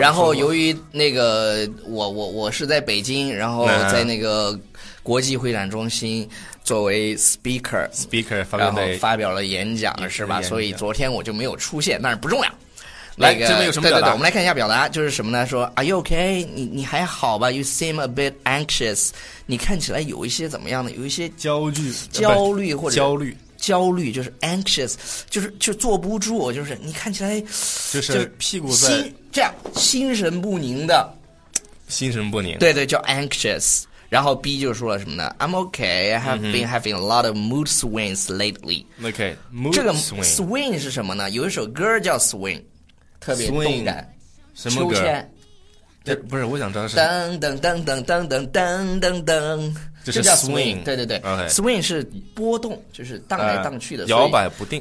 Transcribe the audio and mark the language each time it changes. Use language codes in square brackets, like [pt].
[zh] 然后由于那个我是在北京，然后在那个国际会展中心作为 speaker， 然后发表了演讲，是吧？所以昨天我就没有出现，但是不重要。来，这边有什么表达？对对对，我们来看一下表达，就是什么呢？ [en] 说 Are you okay？ [zh] 你还好吧 [en] ？You seem a bit anxious。 [zh] 你看起来有一些怎么样的？有一些焦虑或者焦虑，就是 anxious， 就是坐不住，就是你看起来就是屁股在这样，心神不宁的，心神不宁。对对，叫 anxious。然后 B 就说了什么呢 ？ [en] I'm okay. I have been having a lot of mood swings lately. Okay， mood [zh] 这个 swing 是什么呢？有一首歌叫 swing。特别动感，什么歌？秋千，不是，我想知道是噔噔噔噔噔噔噔噔噔，就是 swing，对对对、 okay、，swing 是波动，就是荡来荡去的，摇摆不定。